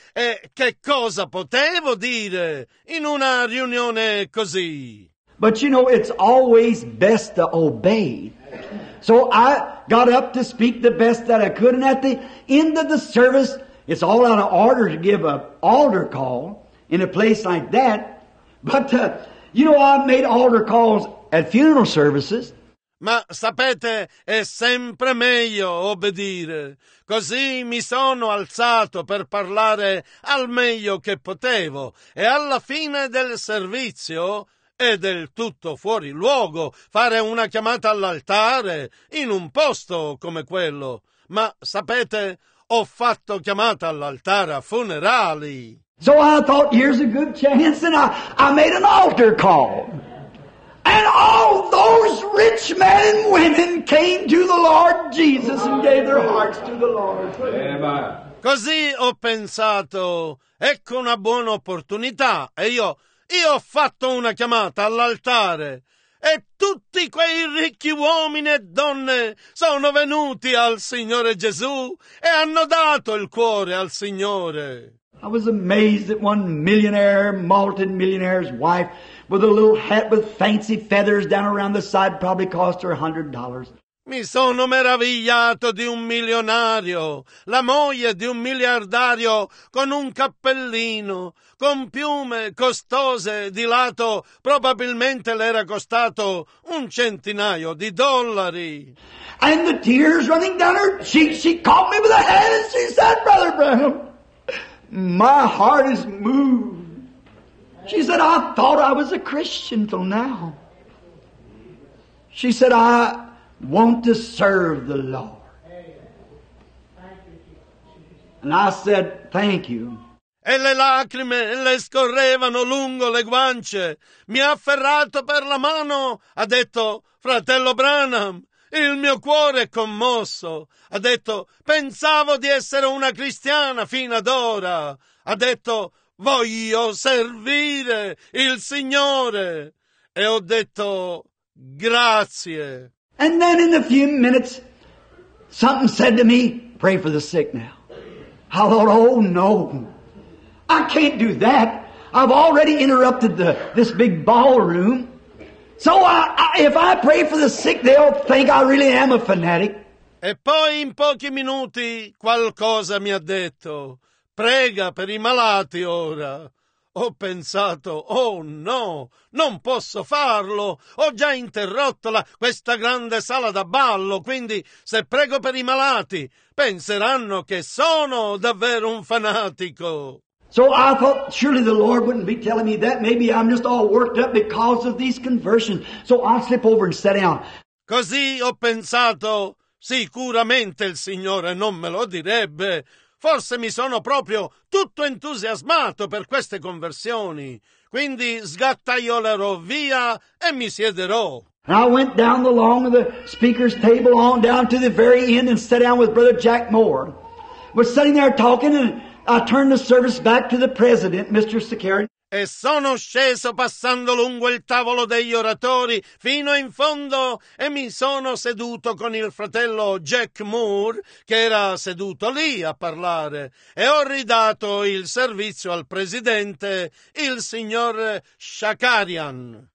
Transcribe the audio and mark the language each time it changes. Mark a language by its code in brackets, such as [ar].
[it] E che cosa potevo dire in una riunione così? [en] But you know, it's always best to obey. So I got up to speak the best that I could, and at the end of the service, it's all out of order to give an altar call in a place like that. But, you know, I've made altar calls at funeral services. [it] Ma sapete, è sempre meglio obbedire. Così mi sono alzato per parlare al meglio che potevo. E alla fine del servizio, è del tutto fuori luogo fare una chiamata all'altare in un posto come quello. Ma sapete, ho fatto chiamata all'altare a funerali. [en] So I thought, here's a good chance, and I made an altar call. And all those rich men and women came to the Lord Jesus and gave their hearts to the Lord. [it] Così ho pensato, ecco una buona opportunità, e io ho fatto una chiamata all'altare, e tutti quei ricchi uomini e donne sono venuti al Signore Gesù e hanno dato il cuore al Signore. [en] I was amazed at one millionaire, multi-millionaire's wife with a little hat with fancy feathers down around the side probably cost her $100. [it] Mi sono meravigliato di un milionario, la moglie di un miliardario con un cappellino, con piume costose di lato, probabilmente le era costato un centinaio di dollari. [en] And the tears running down her cheeks, she caught me by the hand and she said, Brother Branham, my heart is moved. She said, I thought I was a Christian till now. She said, I want to serve the Lord. And I said, thank you. [it] E le lacrime le scorrevano lungo le guance. Mi ha afferrato per la mano. Ha detto, fratello Branham, il mio cuore è commosso. Ha detto, pensavo di essere una cristiana fino ad ora. Ha detto, voglio servire il Signore. E ho detto, grazie. [en] And then in a few minutes, something said to me, pray for the sick now. I thought, oh no, I can't do that. I've already interrupted this big ballroom. So if I pray for the sick, they'll think I really am a fanatic. [it] E poi in pochi minuti qualcosa mi ha detto, prega per i malati ora. Ho pensato, oh no, non posso farlo, ho già interrotto questa grande sala da ballo, quindi se prego per i malati, penseranno che sono davvero un fanatico. [en] So I thought, surely the Lord wouldn't be telling me that, maybe I'm just all worked up because of these conversions, so I'll slip over and sit down. [it] Così ho pensato, sicuramente il Signore non me lo direbbe. Forse mi sono proprio tutto entusiasmato per queste conversioni. Quindi sgattaiolerò via e mi siederò. [en] And I went down along the speaker's table on down to the very end and sat down with Brother Jack Moore. We're sitting there talking and I turned the service back to the president, Mr. Sicari. [it] E sono sceso passando lungo il tavolo degli oratori fino in fondo e mi sono seduto con il fratello Jack Moore, che era seduto lì a parlare, e ho ridato il servizio al presidente, il signor Shakarian.